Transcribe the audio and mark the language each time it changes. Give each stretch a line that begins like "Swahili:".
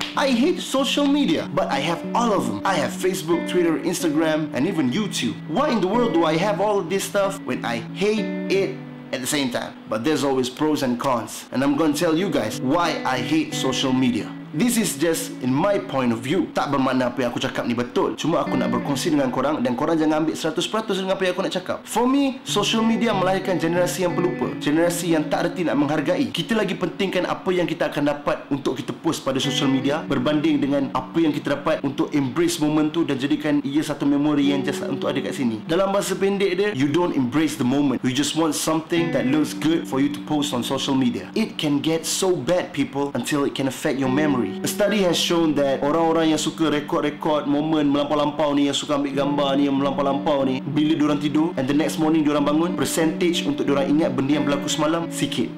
English: I hate social media, but I have all of them. I have Facebook, Twitter, Instagram, and even YouTube. Why in the world do I have all of this stuff when I hate it at the same time? But there's always pros and cons, and I'm gonna tell you guys why I hate social media. This is just in my point of view.
Malay: Tak bermakna apa yang aku cakap ni betul. Cuma aku nak berkongsi dengan korang dan korang jangan ambil 100% dengan apa yang aku nak cakap. For me, social media melahirkan generasi yang pelupa. Generasi yang tak reti nak menghargai. Kita lagi pentingkan apa yang kita akan dapat untuk kita post pada social media berbanding dengan apa yang kita dapat untuk embrace moment tu dan jadikan ia satu memori yang just untuk ada kat sini. Dalam bahasa pendek dia,
English: you don't embrace the moment. You just want something that looks good for you to post on social media. It can get so bad, people, until it can affect your memory. A study has shown that
Malay: orang-orang yang suka rekod-rekod moment melampau-lampau ni, yang suka ambil gambar ni yang melampau-lampau ni, bila diorang tidur
English: and the next morning
Malay: diorang bangun, percentage untuk diorang ingat benda yang berlaku semalam sikit.